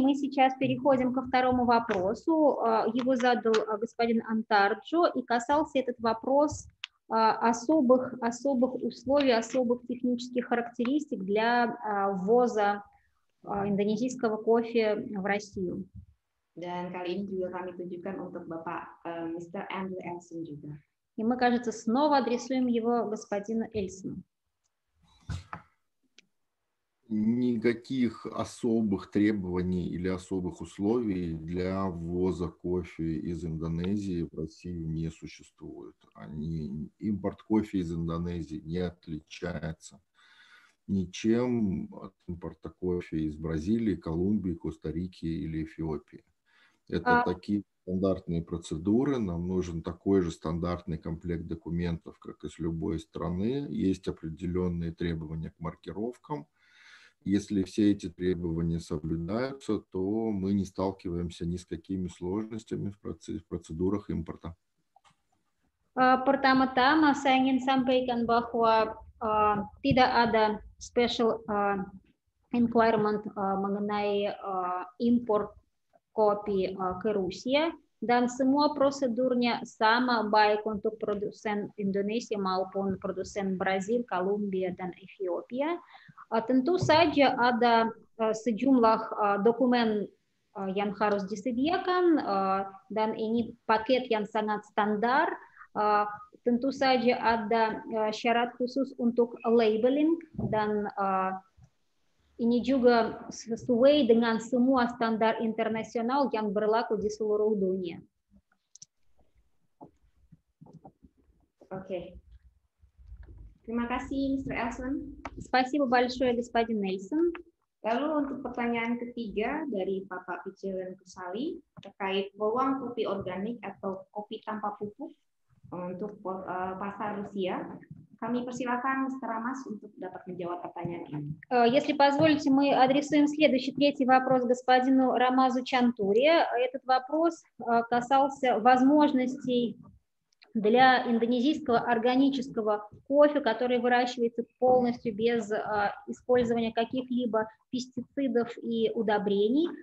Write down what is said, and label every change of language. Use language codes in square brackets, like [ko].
[ru] Мы сейчас переходим ко второму вопросу. Его задал господин Антарджо, и касался этот вопрос особых условий, особых технических характеристик для ввоза индонезийского кофе в Россию. [id] Dan kali ini juga kami tunjukkan untuk Bapak Mr. Andrew Elson juga. [ru] И мы, кажется, снова адресуем его господину Эльсону. Никаких особых требований или особых условий для ввоза кофе из Индонезии в Россию не существует. Импорт кофе из Индонезии не отличается ничем от импорта кофе из Бразилии, Колумбии, Коста-Рики или Эфиопии. Это такие стандартные процедуры. Нам нужен такой же стандартный комплект документов, как из любой страны. Есть определенные требования к маркировкам. Если все эти требования соблюдаются, то мы не сталкиваемся ни с какими сложностями в процедурах импорта. [id] Pertama-tama saya ingin sampaikan bahwa tidak ada [en] special requirement [id] mengenai import kopi ke Rusia dan semua prosedurnya sama baik untuk produsen Indonesia maupun produsen Brazil, Kolumbia dan Ethiopia. Tentu saja ada sejumlah dokumen yang harus disediakan dan ini paket yang sangat standar. Tentu saja ada syarat khusus untuk labeling dan ini juga sesuai dengan semua standar internasional yang berlaku di seluruh dunia. Oke. Terima kasih, Mr. Elson. [ru] Спасибо большое, господин Нельсон. [id] Lalu untuk pertanyaan ketiga dari Bapak Pijelan Kusali terkait peluang kopi organik atau kopi tanpa pupuk untuk pasar Rusia, kami persilakan Mr. Ramas untuk dapat menjawab pertanyaan ini. [ru] Если позволите, мы адресуем следующий, третий вопрос господину Рамазу Чантуре. Этот вопрос касался возможностей для индонезийского органического кофе, который выращивается полностью без использования каких-либо пестицидов и удобрений.